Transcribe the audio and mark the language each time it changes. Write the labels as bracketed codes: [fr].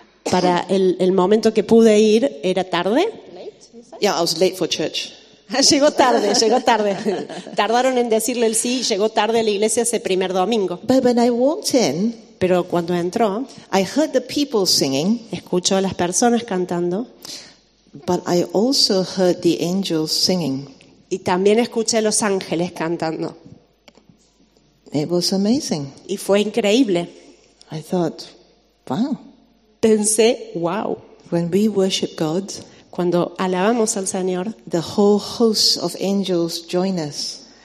[es] Para el momento que pude ir era tarde. [en] Yeah, I was late for church. [es] Llegó tarde, llegó tarde. Tardaron en decirle el sí, llegó tarde a la iglesia ese primer domingo. [en] But when I walked in, [es] pero cuando entró, [en] I heard the people singing. [es] Escuchó a las personas cantando. [en] But I also heard the angels singing. [es] Y también escuché a los ángeles cantando. [en] It was amazing. [es] Y fue increíble. [en] I thought, wow. [es] Pensé, wow. [en] When we worship God, [es] cuando alabamos al Señor, [en] the whole host of angels join us.